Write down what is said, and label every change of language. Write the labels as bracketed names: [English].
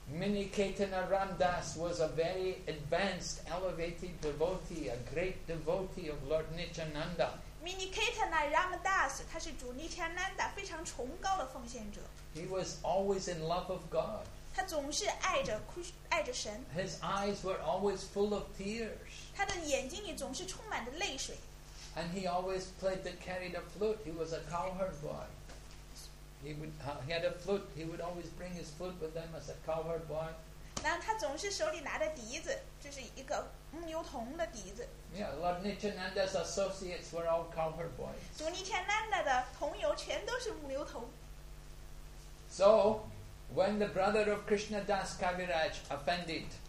[English] Mini Ketana Ramdas was a very advanced, elevated devotee, a great devotee of Lord Nityananda. [Chinese] Mini Ketana Ramdas, 他是主尼天南达非常崇高的奉献者。 [English] He was always in love of God. [Chinese] 他总是爱着神。 [English] His eyes were always full of tears. [Chinese] 他的眼睛里总是充满着泪水。 [English] And he always played the carried a flute. He was a cowherd boy. He had a flute. He would always bring his flute with him as a cowherd boy. [Chinese] 然后他总是手里拿着笛子，就是一个牧牛童的笛子。 [English] Yeah, Lord Nityananda's associates were all cowherd boys. [Chinese] 主尼天南达的同游全都是牧牛童。 [English] So, when the brother of Krishna Das Kaviraj offended,